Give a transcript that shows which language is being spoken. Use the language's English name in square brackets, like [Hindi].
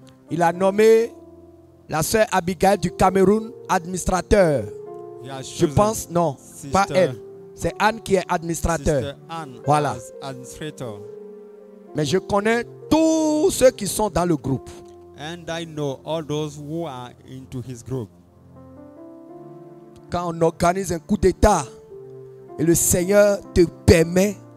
[French] Il a nommé la sœur Abigail du Cameroun, administrateur. Je pense, non, [English] sister, [French] pas elle. C'est Anne qui est administrateur. Anne voilà. [English] Administrator. [French] Mais je connais tous ceux qui sont dans le groupe. [English] And I know all those who are into his group. [French] Quand on organise un coup d'État, et le Seigneur te permet